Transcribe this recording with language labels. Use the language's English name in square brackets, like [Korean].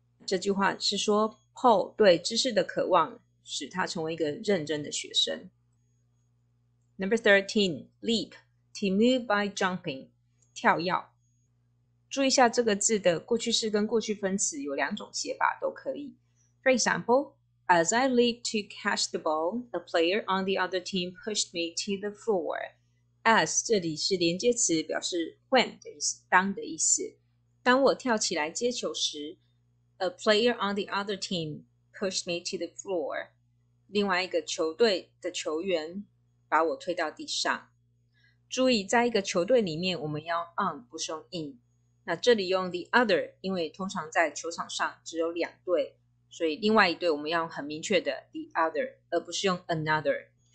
[Chinese] 这句话是说 Paul 对知识的渴望使他成为一个认真的学生。 [English] Number 13, leap, to move by jumping, 跳跃。 [Chinese] 注意一下这个字的过去式跟过去分词有两种写法都可以。 [English] For example, as I leap to catch the ball, a player on the other team pushed me to the floor. [Chinese] As 这里是连接词，表示 when 的意思，当的意思。当我跳起来接球时， [English] a player on the other team pushed me to the floor. [Chinese] 另外一个球队的球员把我推到地上。注意，在一个球队里面，我们要 on 不是用 in。那这里用 the other，因为通常在球场上只有两队，所以另外一队我们要用很明确的 the other，而不是用 another。